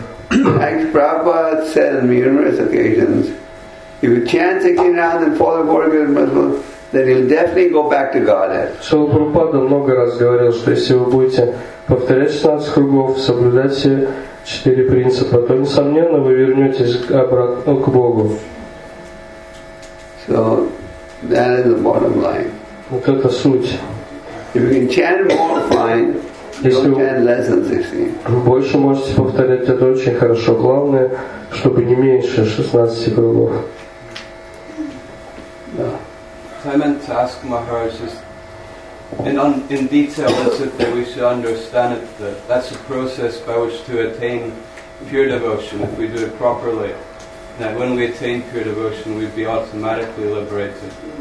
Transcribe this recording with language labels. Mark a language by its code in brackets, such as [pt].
[en] Like Prabhupada said on numerous occasions, if you chant 16 rounds and follow four regulative principles, then you'll definitely go back to Godhead. [ru] Шрила Прабхупада много раз говорил, что если вы будете повторять 16 кругов, соблюдать все 4 принципа, то, несомненно, вы вернетесь обратно к Богу. [en] So, that is the bottom line. [ru] Вот это суть. [en] If you can chant more, fine. [ru] Если вы больше можете повторять, это очень хорошо. Главное, чтобы не меньше 16 кругов. [en] I meant to ask Maharaj just in detail, is it that we should understand it, that that's a process by which to attain pure devotion if we do it properly. That when we attain pure devotion, we'd be automatically liberated.